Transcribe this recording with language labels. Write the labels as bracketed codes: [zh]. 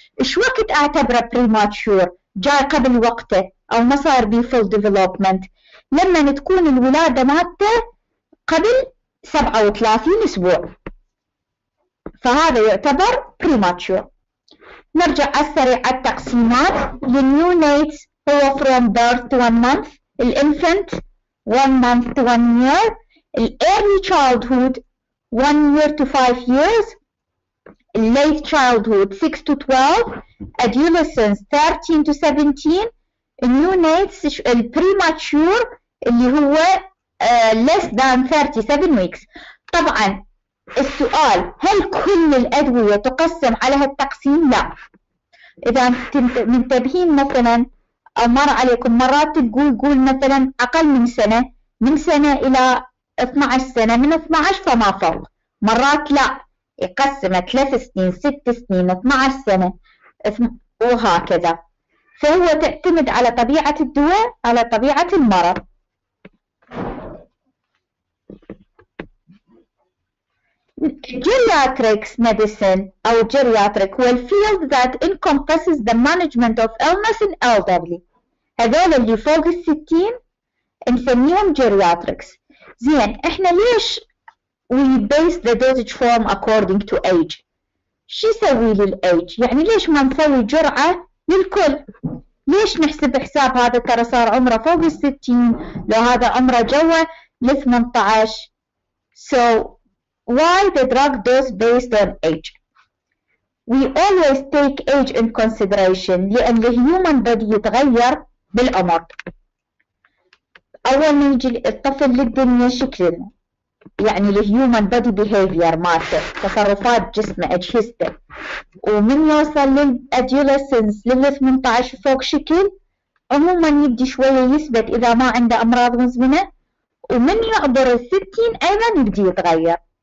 [ar] إيش وقت أعتبره بريماتشور؟ جاء قبل وقته أو ما صار بي فول ديفلوبمنت، لما تكون الولادة مالته قبل 37 أسبوع، فهذا يعتبر premature. نرجع السريع على التقسيمات. [en] The new nates هو from birth to 1 month. The infant 1 month to 1 year. early childhood 1 year to 5 years, late childhood 6 to 12, adolescence 13 to 17, neonates premature [ar] اللي هو [en] less than 37 weeks. [ar] طبعا السؤال هل كل الأدوية تقسم على هالتقسيم؟ لا. إذا منتبهين مثلا مر عليكم مرات تقول مثلا أقل من سنة، من سنة إلى 12 سنة، من 12 فما فوق. مرات لا، يقسم 3 سنين 6 سنين 12 سنة وهكذا. فهو تعتمد على طبيعة الدواء، على طبيعة المرض. [en] Geriatrics medicine أو geriatric هو الفيلد that encompasses the management of illness in elderly. [ar] هذول اللي فوق الستين نسميهم geriatrics. زين احنا ليش [en] we base the dosage form according to age؟ [ar] شو يسوي للأيج؟ يعني ليش ما نسوي جرعة للكل؟ ليش نحسب حساب هذا ترى صار عمره فوق الستين، لو هذا عمره جوه لثمنتعش؟ [en] So why the drug dose based on age? We always take age in consideration [ar] لأن [en] the human body [ar] يتغير بالعمر. أول ما يجي الطفل للدنيا شكله، يعني [en] the human body behavior [ar] مالته، تصرفات جسمه أجهزته، ومن يوصل للأدوليسنس للثمنتعش فوق شكل عموما يبدي شوية يثبت إذا ما عنده أمراض مزمنة، ومن يعبر الستين أيضا يبدي يتغير.